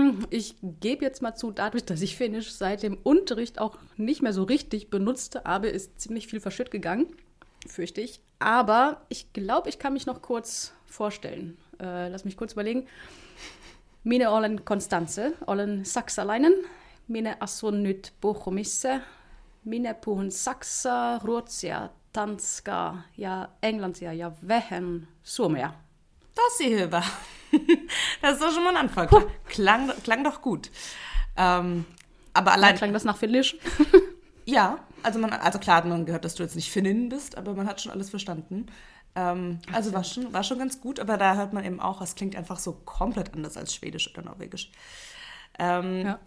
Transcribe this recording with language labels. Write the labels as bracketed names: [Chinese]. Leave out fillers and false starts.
[German] Ich gebe jetzt mal zu, dadurch, dass ich Finnisch seit dem Unterricht auch nicht mehr so richtig benutzte, aber ist ziemlich viel verschütt gegangen, fürchte ich. Aber ich glaube, ich kann mich noch kurz vorstellen. Lass mich kurz überlegen. [Finnish] Mine olen Konstanze, olen Saxaleinen, mine asun nyt Bochumisse, mine puhun Saxa, Ruotsia, Tanska, ja Englandsia, ja wehen, Suomea. [German] Das ist hier. Das ist doch schon mal ein Anfang. Klang doch gut. Aber allein. Klang das nach Finnisch? Ja, also klar hat man gehört, dass du jetzt nicht Finnin bist, aber man hat schon alles verstanden. Also war schon ganz gut, aber da hört man eben auch, es klingt einfach so komplett anders als Schwedisch oder Norwegisch. Ja.